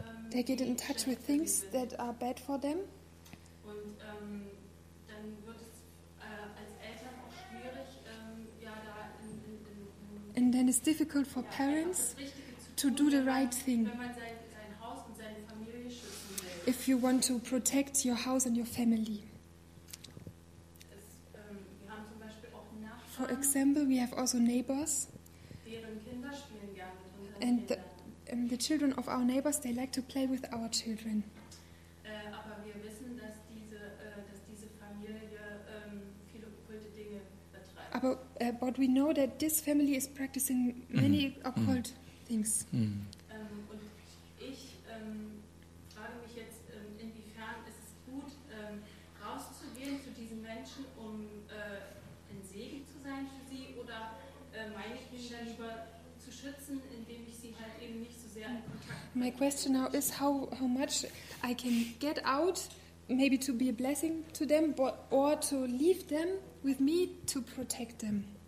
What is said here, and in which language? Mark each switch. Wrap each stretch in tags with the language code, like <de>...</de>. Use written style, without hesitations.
<en>They get in touch with things that are bad for them.</en> <de>Und dann wird es als Eltern auch schwierig, ja, da in</de> <en>And then it's difficult for parents to do the right thing.</en> <de>Wenn man sein Haus und seine Familie schützen will.</de> <en>If you want to protect your house and your family.</en> <de>Wir haben zum Beispiel auch Nachbarn.</de> <en>For example, we have also neighbors.</en> <de>Deren Kinder spielen gerne mit unseren Kindern.</de> <en>The children of our neighbors, they like to play with our children.</en> <de>Aber wir wissen, dass diese Familie viele okkulte Dinge betreibt.</de> <en>Aber but we know that this family is practicing many occult things.</en> <de>Und ich frage mich jetzt, inwiefern ist es gut, rauszugehen zu diesen Menschen, um ein Segen zu sein für sie, oder meine Kinder lieber zu schützen, indem ich sie halt eben nicht.</de> <en>My question now is how much I can get out, maybe to be a blessing to them, but or to leave them with me to protect them.</en>